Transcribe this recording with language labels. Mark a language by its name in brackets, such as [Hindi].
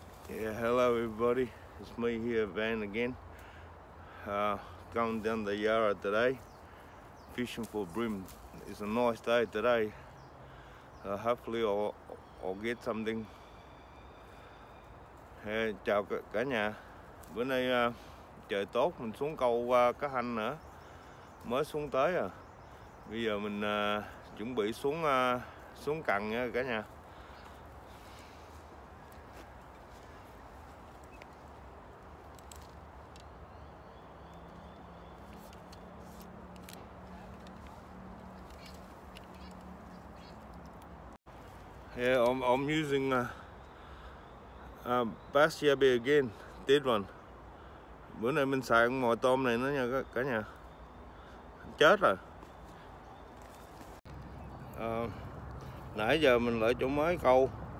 [English] Yeah, hello everybody, it's me here, Van again. Going down the Yarra today, fishing for bream. It's a nice day today. Hopefully I'll get something. [Vietnamese] Chào cả nhà. Bữa nay trời tốt, mình xuống câu cá hanh nữa. Mới xuống tới à. Bây giờ mình chuẩn bị xuống cần nha cả nhà. [English] Yeah, I'm using bass yabby again, dead one. [Vietnamese] Bữa nay mình xài con mồi tôm này nữa nha cả nhà. Chết rồi. Nãy giờ mình lại chỗ mới câu.